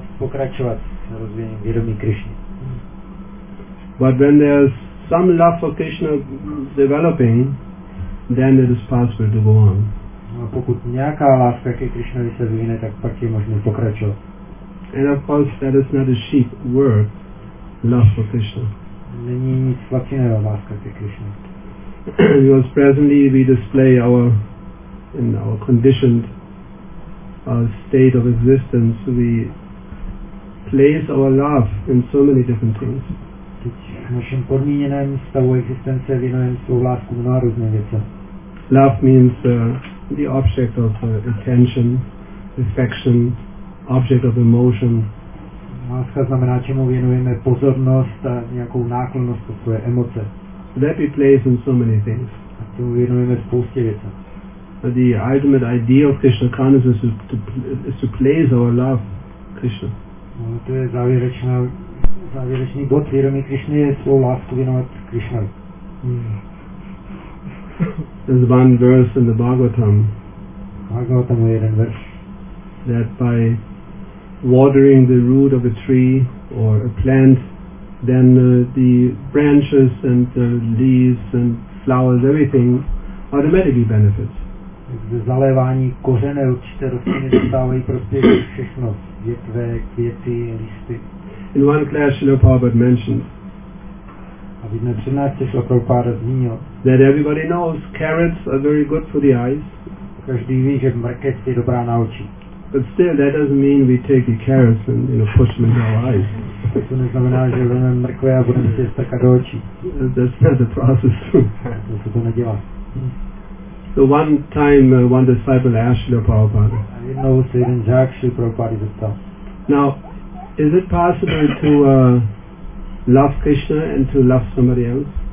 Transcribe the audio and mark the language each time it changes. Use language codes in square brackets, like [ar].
[en] But when there is some love for Krishna developing, then it is possible to go on. [cs] A pokud nějaká láska ke Krišnovi se vyvine, tak pak je možné pokračovat. [en] And of course that is not a cheap word, love for Krishna. [cs] Není nic laciného láska ke Krišnovi. [en] Because presently we display our, in our conditioned state of existence, we place our love in so many different things. [cs] Teď v našem podmíněném stavu existence věnujeme svou lásku mnoha různé věce. [en] Love means the object of attention, affection, object of emotion. [cs] Láska znamená, čemu věnujeme pozornost a nějakou náklonnost pro svoje emoce. [en] That we place in so many things. [cs] A tomu věnujeme spoustě věce. [en] But the ultimate idea of Krishna consciousness is to place our love, Krishna. [cs] No, to je závěrečný bod vědomí Krishna je svou lásku věnovat Krishna. [en] There's one verse in the Bhagavatam. Bhagavatam is one verse. That by watering the root of a tree or a plant, then the branches and the leaves and flowers, everything, automatically benefits. [cs] Ze zalévání kořene určité rostliny dostávají prostě všechno. Větve, květy, listy. [en] In one class, Srila Prabhupada mentioned. [cs] A v jedné přednášce Srila Prabhupada zmínil. [en] That everybody knows carrots are very good for the eyes. [cs] Každý ví, že mrkev je dobrá na oči. [en] But still, that doesn't mean we take the carrots and push them into our eyes. [cs] To neznamená, že vezmeme mrkve a budeme si je strkat do očí. [en] That's not the process. [cs] To se to nedělá. [en] So one time, one disciple asked Srila Prabhupada. [cs] A jednou se jeden žák Srila Prabhupada zeptal. [en] Now, is it possible to love Krishna and to love somebody else?